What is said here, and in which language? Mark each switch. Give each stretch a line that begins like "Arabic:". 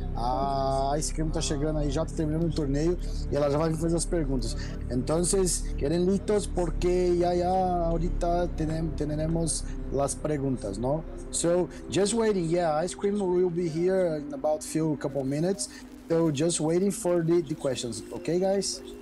Portuguese: A Scream tá chegando aí, já terminando o torneio e ela já vai fazer as perguntas.
Spanish: Entonces, queden listos porque ya ahorita tenemos las preguntas, no?
English: So, just waiting. Yeah, Ice Cream will be here in about couple minutes. So, just waiting for the questions. Okay, guys?